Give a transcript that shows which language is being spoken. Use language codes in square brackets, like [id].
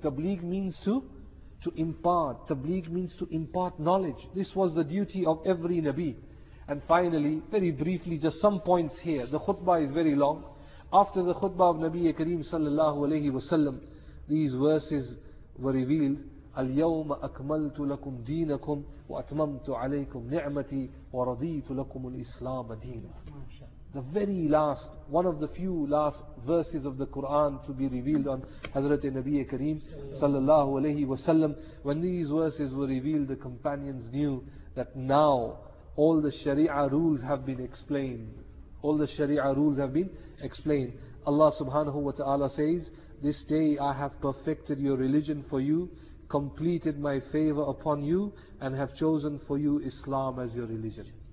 [en] Tabligh means to impart. Tabligh means to impart knowledge. This was the duty of every Nabi. And finally, very briefly, just some points here. The khutbah is very long. After the khutbah of Nabi Kareem sallallahu alayhi wa sallam, these verses were revealed. [ar] اليوم أكملت لكم دينكم وأتممت عليكم نعمتي ورضيت لكم الإسلام دينا. [en] The very last, one of the few last verses of the Quran to be revealed on Hazrat Nabi Kareem sallallahu alayhi wa sallam. When these verses were revealed, the companions knew that now all the Sharia rules have been explained. All the Sharia rules have been explained. Allah subhanahu wa ta'ala says, this day I have perfected your religion for you, completed my favor upon you, and have chosen for you Islam as your religion.